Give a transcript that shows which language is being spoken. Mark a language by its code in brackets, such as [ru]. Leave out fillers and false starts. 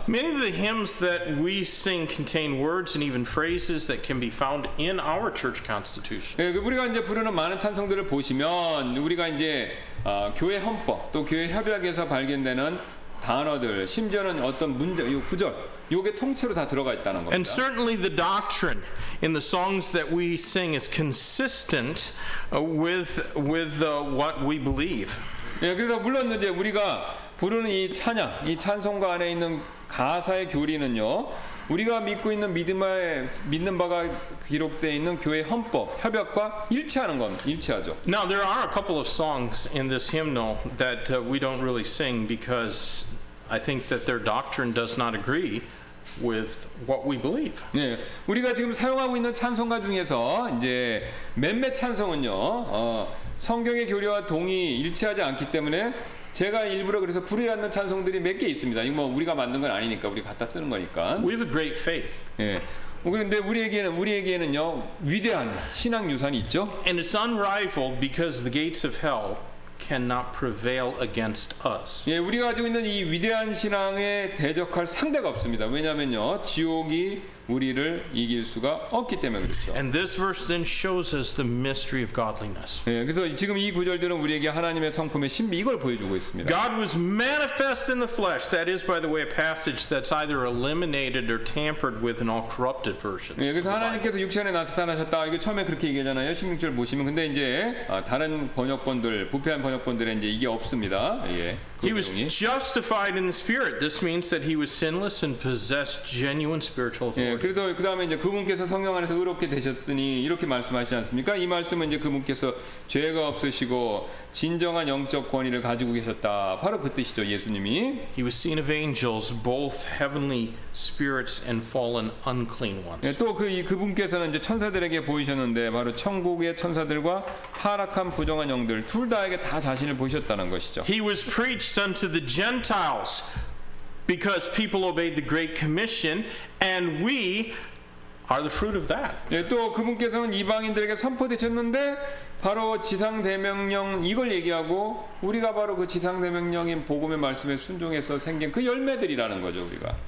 [en] Many of the hymns that we sing contain words and even phrases that can be found in our church constitution. [ko] 예, 우리가 이제 부르는 많은 찬송들을 보시면 우리가 이제 교회 헌법 또 교회 협약에서 발견되는 단어들 심지어는 어떤 문제 이 구절 요게 통째로 다 들어가 있다는 겁니다. [en] And certainly the doctrine in the songs that we sing is consistent with what we believe. [ko] 예, 그래서 물론 이제 우리가 부르는 이 찬양, 이 찬송가 안에 있는 가사의 교리는요. 우리가 믿고 있는 믿는 바가 기록되어 있는 교회 헌법, 협약과 일치하는 건 일치하죠. [en] Now there are a couple of songs in this hymnal that we don't really sing because I think that their doctrine does not agree with what we believe. [ko] 네, 우리가 지금 사용하고 있는 찬송가 중에서 이제 몇몇 찬송은요, 성경의 교리와 동의 일치하지 않기 때문에 제가 일부러 그래서 불이 났는 찬송들이 몇 개 있습니다. 이거 뭐 우리가 만든 건 아니니까 우리 갖다 쓰는 거니까. [en] We have a great faith. [ko] 네. 그런데 우리에게는요 위대한 신앙 유산이 있죠. [en] And it's unrivaled because the gates of hell cannot prevail against us. [ko] 예, 우리가 가지고 있는 이 위대한 신앙에 대적할 상대가 없습니다. 왜냐하면요, 지옥이 우리를 이길 수가 없기 때문에 그렇죠. [en] And this verse then shows us the mystery of godliness. [ko] 예, 그래서 지금 이 구절들은 우리에게 하나님의 성품의 신비 이걸 보여주고 있습니다. [en] God was manifest in the flesh. That is, by the way, a passage that's either eliminated or tampered with in all corrupted versions. [ko] 예, 그래서 하나님께서 육체에 나타나셨다. 이게 처음에 그렇게 얘기하잖아요. 16절 보시면 근데 이제 다른 번역본들 부패한 번역본들은 이제 이게 없습니다. 예. [en] He was justified in the spirit. This means that he was sinless and possessed genuine spiritual authority. [ko] 예, 그래서 그다음에 이제 그분께서 성령 안에서 의롭게 되셨으니 이렇게 말씀하시지 않습니까? 이 말씀은 이제 그분께서 죄가 없으시고 진정한 영적 권위를 가지고 계셨다. 바로 그 뜻이죠, 예수님이. [en] He was seen of angels, both heavenly spirits and fallen unclean ones. [ko] 예, 또 그분께서는 이제 천사들에게 보이셨는데 바로 천국의 천사들과 타락한 부정한 영들 둘 다에게 다 자신을 보셨다는 것이죠. [en] He was preached unto the Gentiles because people obeyed the Great Commission, and we are the fruit of that. [ko] 예, 또 그분께서는 이방인들에게 선포되셨는데 바로 지상 대명령 이걸 얘기하고 우리가 바로 그 지상 대명령인 복음의 말씀에 순종해서 생긴 그 열매들이라는 거죠 우리가.